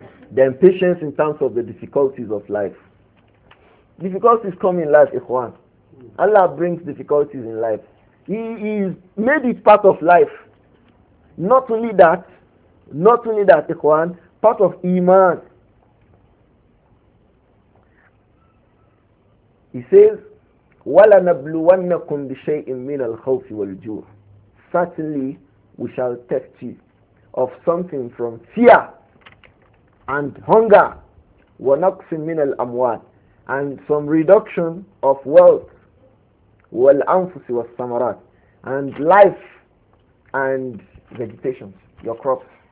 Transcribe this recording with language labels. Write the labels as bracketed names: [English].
[English] Then patience in terms of the difficulties of life. Difficulties come in life, ikhwan. Allah brings difficulties in life. He is made it part of life. Not only that, ikhwan, part of iman. He says, [Arabic] وَلَنَبْلُوَنَّكُمْ بِشَيْءٍ مِّنَ الْخَوْفِ وَالْجُوعِ. [English] Certainly, we shall test you of something from fear and hunger. [Arabic] وَنَقْسٍ مِّنَ الْأَمْوَالِ. [English] And some reduction of wealth, well, anfusi was samarat, and life and vegetation, your crops.